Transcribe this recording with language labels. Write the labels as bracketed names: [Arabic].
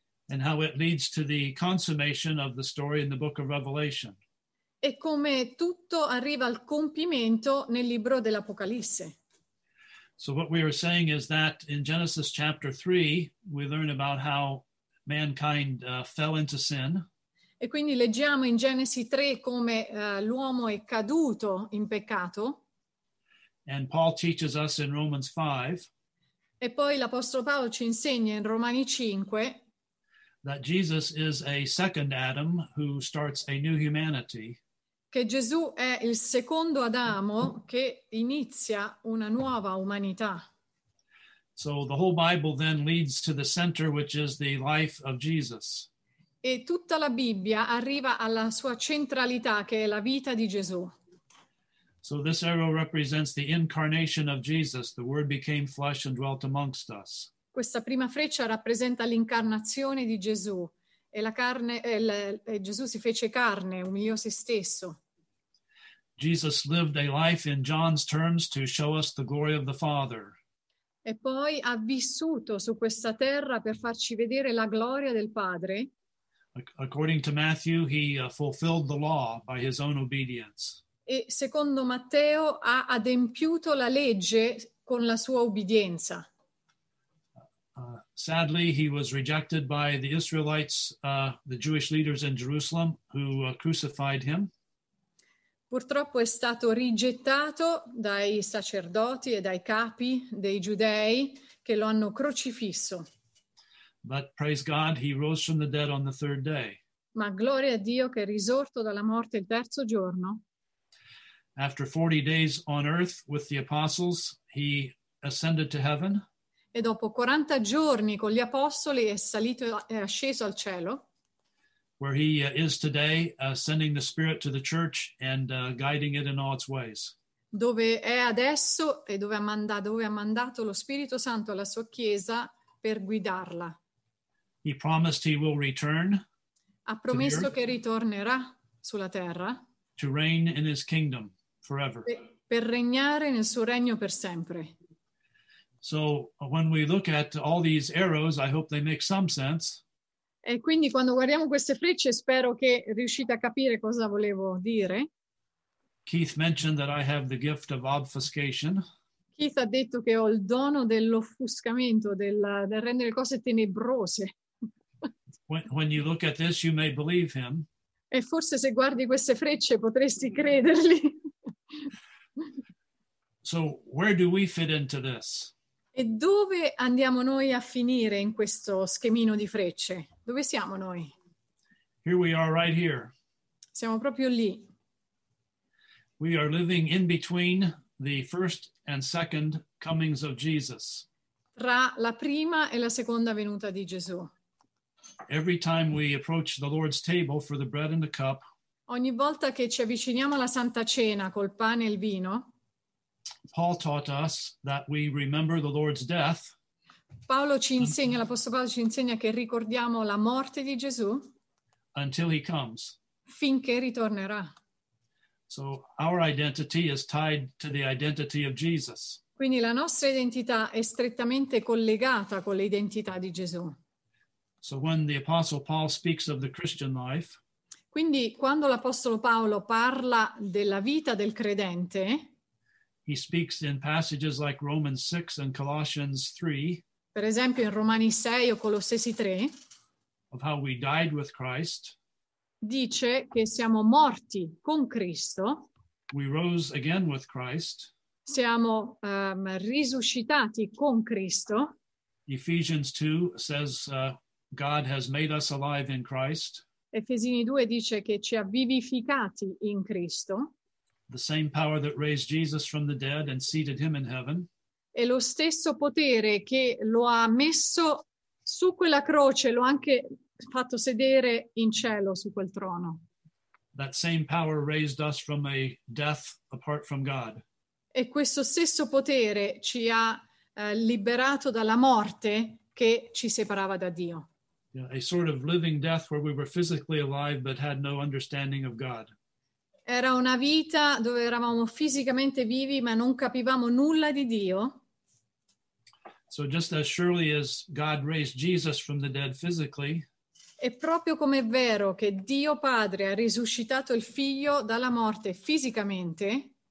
[English] And how it leads to the consummation of the story in the book of Revelation. [Italian] E come tutto arriva al compimento nel libro dell'Apocalisse. [English] So what we are saying is that in Genesis chapter 3, we learn about how mankind fell into sin. [Italian] E quindi leggiamo in Genesi 3 come l'uomo è caduto in peccato. [English] And Paul teaches us in Romans 5. [Italian] E poi l'Apostolo Paolo ci insegna in Romani 5. [English] That Jesus is a second Adam who starts a new humanity. [Italian] Che Gesù è il secondo Adamo che inizia una nuova umanità. [English] So the whole Bible then leads to the center, which is the life of Jesus. [Italian] E tutta la Bibbia arriva alla sua centralità, che è la vita di Gesù. [English] So this arrow represents the incarnation of Jesus. The Word became flesh and dwelt amongst us. [Italian] Questa prima freccia rappresenta l'incarnazione di Gesù e la carne, Gesù si fece carne, umiliò se stesso. [English] Jesus lived a life in John's terms to show us the glory of the Father. [Italian] E poi ha vissuto su questa terra per farci vedere la gloria del Padre. [English] According to Matthew, he fulfilled the law by his own obedience. [Italian] E secondo Matteo ha adempiuto la legge con la sua obbedienza. [English] Sadly, he was rejected by the Israelites, the Jewish leaders in Jerusalem, who crucified him. [Italian] Purtroppo è stato rigettato dai sacerdoti e dai capi dei giudei che lo hanno crocifisso. [English] But praise God, he rose from the dead on the third day. [Italian] Ma gloria a Dio che è risorto dalla morte il terzo giorno. [English] After 40 days on earth with the apostles, he ascended to heaven. [Italian] E dopo 40 giorni con gli apostoli è salito e asceso al cielo. [English] Where he is today, sending the Spirit to the church and guiding it in all its ways. [Italian] Dove è adesso e dove ha mandato lo Spirito Santo alla sua chiesa per guidarla. [English] He promised he will return. [Italian] Ha promesso che ritornerà sulla terra. [English] To reign in his kingdom forever. [Italian] Per regnare nel suo regno per sempre. [English] So when we look at all these arrows, I hope they make some sense. [Italian] E quindi quando guardiamo queste frecce, spero che riuscite a capire cosa volevo dire. [English] Keith mentioned that I have the gift of obfuscation. [Italian] Keith ha detto che ho il dono dell'offuscamento, del rendere le cose tenebrose. [English] When you look at this, you may believe him. [Italian] E forse se guardi queste frecce potresti crederli. [English] So where do we fit into this? [Italian] E dove andiamo noi a finire in questo schemino di frecce? Dove siamo noi? [English] Here we are, right here. [Italian] Siamo proprio lì. [English] We are living in between the first and second comings of Jesus. [Italian] Tra la prima e la seconda venuta di Gesù. [English] Every time we approach the Lord's table for the bread and the cup. [Italian] Ogni volta che ci avviciniamo alla Santa Cena col pane e il vino. [English] Paul taught us that we remember the Lord's death. [Italian] Paolo ci insegna, l'Apostolo Paolo ci insegna che ricordiamo la morte di Gesù. [English] Until he comes. [Italian] Finché ritornerà. [English] So our identity is tied to the identity of Jesus. [Italian] Quindi la nostra identità è strettamente collegata con l'identità di Gesù. [English] So when the Apostle Paul speaks of the Christian life. [Italian] Quindi quando l'Apostolo Paolo parla della vita del credente. [English] He speaks in passages like Romans 6 and Colossians 3. [Italian] Per esempio in Romani 6 o Colossesi 3. [English] Of how we died with Christ. [Italian] Dice che siamo morti con Cristo. [English] We rose again with Christ. [Italian] Siamo risuscitati con Cristo. [English] Ephesians 2 says God has made us alive in Christ. [Italian] Efesini 2 dice che ci ha vivificati in Cristo. [English] The same power that raised Jesus from the dead and seated him in heaven. [Italian] E lo stesso potere che lo ha messo su quella croce, lo ha anche fatto sedere in cielo su quel trono. [English] That same power raised us from a death apart from God. [Italian] E questo stesso potere ci ha liberato dalla morte che ci separava da Dio. [English] Yeah, a sort of living death where we were physically alive but had no understanding of God. [Italian] Era una vita dove eravamo fisicamente vivi ma non capivamo nulla di Dio. [English] So just as surely as God raised Jesus from the dead physically. [Italian] È proprio come è vero che Dio Padre ha risuscitato il Figlio dalla morte fisicamente.